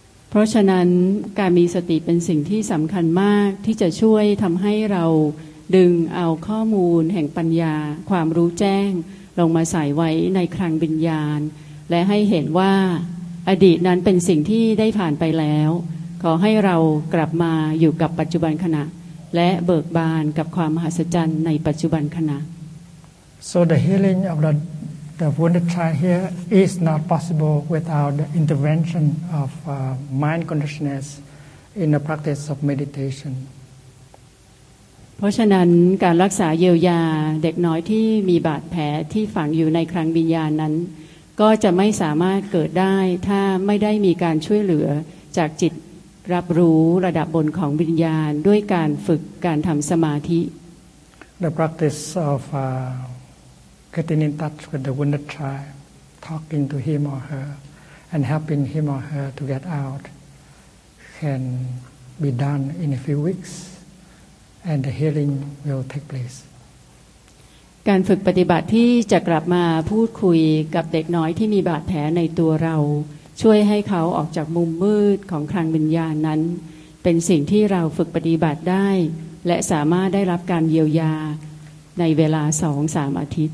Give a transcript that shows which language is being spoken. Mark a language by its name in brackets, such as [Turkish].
[Thai] เพราะฉะนั้นการมีสติเป็นสิ่งที่สำคัญมากที่จะช่วยทำให้เราดึงเอาข้อมูลแห่งปัญญาความรู้แจ้งลงมาใส่ไว้ในคลังวิญญาณและให้เห็นว่าอดีตนั้นเป็นสิ่งที่ได้ผ่านไปแล้วขอให้เรากลับมาอยู่กับปัจจุบันขณะและเบิกบานกับความมหัศจรรย์ในปัจจุบันขณะ [English] So the healing of the wounded child here is not possible without the intervention of mind consciousness in the practice of meditation [Thai] เพราะฉะนั้นการรักษาเยียวยาเด็กน้อยที่มีบาดแผลที่ฝังอยู่ในคลังวิญญาณนั้นก็จะไม่สามารถเกิดได้ถ้าไม่ได้มีการช่วยเหลือจากจิตรับรู้ระดับบนของวิญญาณด้วยการฝึกการทำสมาธิ [English] The practice of getting in touch with the wounded child, talking to him or her, and helping him or her to get out can be done in a few weeks. And the healing will take place. [Thai] การฝึกปฏิบัติที่จะกลับมาพูดคุยกับเด็กน้อยที่มีบาดแผลในตัวเราช่วยให้เขาออกจากมุมมืดของคลังวิญญาณนั้นเป็นสิ่งที่เราฝึกปฏิบัติได้และสามารถได้รับการเยียวยาในเวลา 2-3 อาทิตย